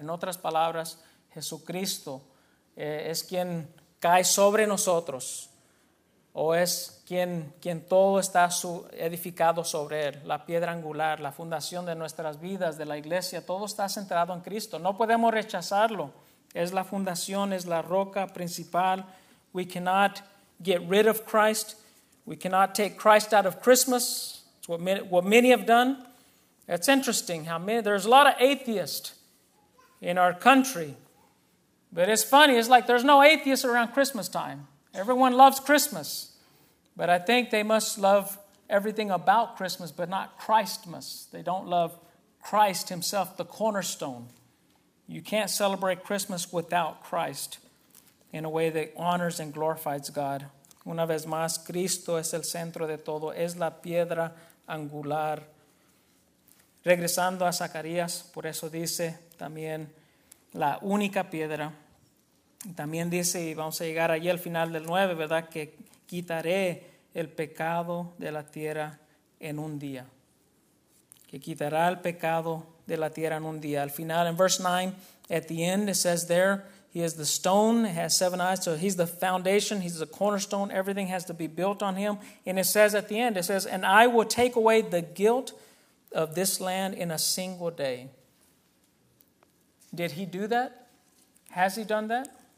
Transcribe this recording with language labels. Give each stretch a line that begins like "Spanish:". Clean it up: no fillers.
Spanish: En otras palabras, Jesucristo es quien cae sobre nosotros o es quien todo está edificado sobre él, la piedra angular, la fundación de nuestras vidas, de la iglesia, todo está centrado en Cristo. No podemos rechazarlo. Es la fundación, es la roca principal.
English: We cannot get rid of Christ. We cannot take Christ out of Christmas. It's what many have done. It's interesting how many, there's a lot of atheists in our country. But it's funny, it's like there's no atheists around Christmas time. Everyone loves Christmas. But I think they must love everything about Christmas, but not Christmas. They don't love Christ himself, the cornerstone. You can't celebrate Christmas without Christ in a way that honors and glorifies God.
Spanish: Una vez más, Cristo es el centro de todo. Es la piedra angular. Regresando a Zacarías, por eso dice también la única piedra. También dice, y vamos a llegar allí al final del 9, ¿verdad? Que quitaré el pecado de la tierra en un día. Que quitará el pecado de la tierra en un día. Al final, en
English: verse 9, at the end, it says there, he is the stone, it has seven eyes, so he's the foundation, he's the cornerstone, everything has to be built on him. And it says at the end, it says, and I will take away the guilt of this land in a single day. Did he do that? Has he done that?